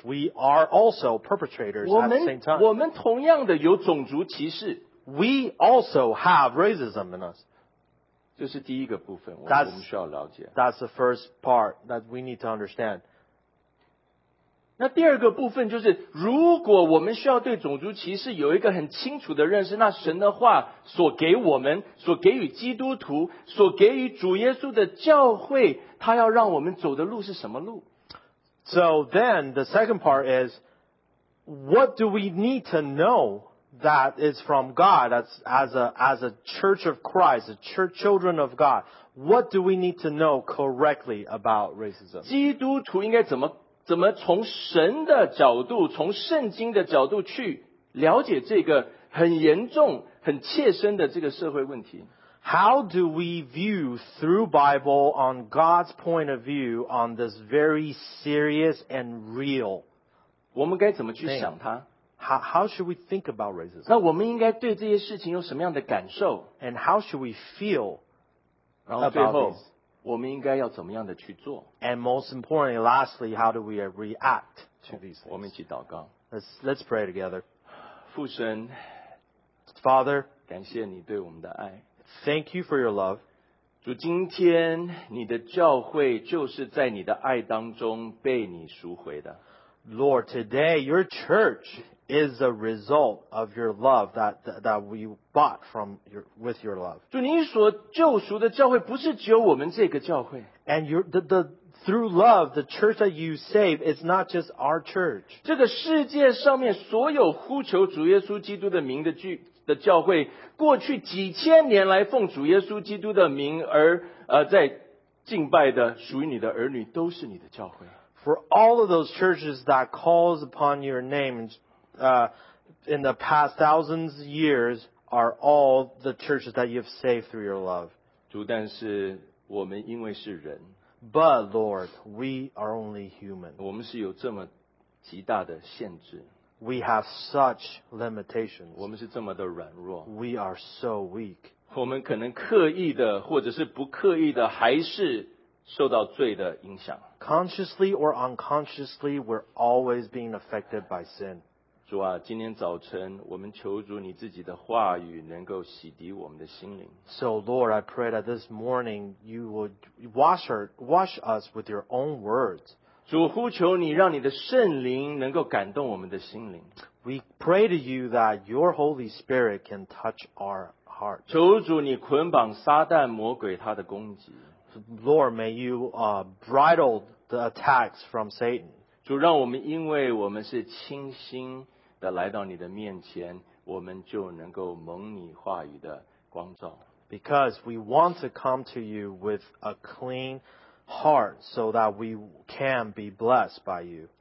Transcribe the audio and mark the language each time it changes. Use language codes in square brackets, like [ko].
[en] We are also perpetrators at the same time. [zh] 我们同样的有种族歧视。 [en] We also have racism in us. [zh] 这是第一个部分，我们需要了解。 [en] That's the first part that we need to understand. [zh] 那第二个部分就是，如果我们需要对种族歧视有一个很清楚的认识，那神的话所给我们，所给予基督徒，所给予主耶稣的教会，他要让我们走的路是什么路？ [en] So then the second part is, what do we need to know that is from God as a church of Christ, a church, children of God? What do we need to know correctly about racism? [zh] 基督徒应该怎么从神的角度，从圣经的角度去了解这个很严重，很切身的这个社会问题。 [en] How do we view through Bible on God's point of view on this very serious and real? [zh] 我们该怎么去想它？ [en] How should we think about racism? [zh] 那我们应该对这些事情有什么样的感受？ [en] And how should we feel about this? [zh] 我们应该要怎么样的去做？ [en] And most importantly, lastly, how do we react to these things? [zh] 我们一起祷告。 [en] Let's pray together. [zh] 父神， [en] Father, [zh] 感谢你对我们的爱。 [en] Thank you for your love. [zh] 主，今天你的教会就是在你的爱当中被你赎回的。 [en] Lord, today your church is a result of your love that we bought with your love. [zh] 主，你所救赎的教会不是只有我们这个教会。 [en] And through love, the church that you save is not just our church. [zh] 这个世界上面所有呼求主耶稣基督的名的的教会，过去几千年来奉主耶稣基督的名而在敬拜的属于你的儿女，都是你的教会。 [en] For all of those churches that calls upon your name, in the past thousands of years, are all the churches that you've saved through your love. [zh] 主，但是我们因为是人。 [en] But Lord, we are only human. [zh] 我们是有这么极大的限制。 [en] We have such limitations. [zh] 我们是这么的软弱。 [en] We are so weak. [zh] 我们可能刻意的或者是不刻意的还是受到罪的影响。 [en] Consciously or unconsciously, we're always being affected by sin. [zh] 主啊，今天早晨我们求主你自己的话语能够洗涤我们的心灵。 [en] So Lord, I pray that this morning you would wash us with your own words. [zh] 主，呼求你让你的圣灵能够感动我们的心灵。 [en] We pray to you that your Holy Spirit can touch our heart. [zh] 求主你捆绑撒旦魔鬼他的攻击。 [en] Lord, may you bridle the attacks from Satan. [zh] 主，让我们因为我们是清心的来到你的面前，我们就能够蒙你话语的光照。 [en] Because we want to come to you with a clean heart so that we can be blessed by you.